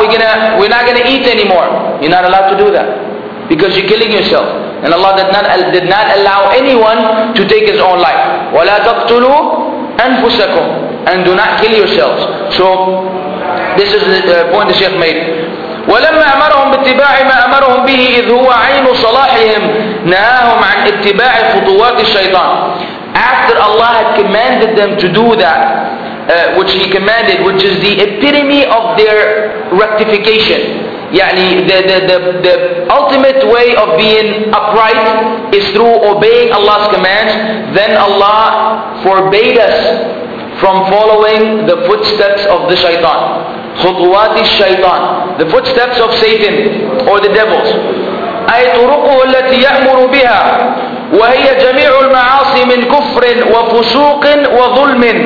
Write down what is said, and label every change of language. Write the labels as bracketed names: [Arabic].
[English] We're not going to eat anymore. You're not allowed to do that. Because you're killing yourself. And Allah did not allow anyone to take his own life. [Arabic] وَلَا تَقْتُلُوا أَنفُسَكُمْ [English] and do not kill yourselves. So this is the point the Shaykh made. [Arabic] ولما أمرهم باتباع ما أمرهم به إذ هو عين صلاحهم نهاهم عن اتباع خطوات الشيطان. [English] After Allah had commanded them to do that, which He commanded, which is the epitome of their rectification. يعني the ultimate way of being upright is through obeying Allah's commands. Then Allah forbade us from following the footsteps of the shaitan. [Arabic] خطوات الشيطان, [English] the footsteps of Satan or the devils. [Arabic] أي طرقه التي يأمر بها وهي جميع المعاصي من كفر وفسوق وظلم.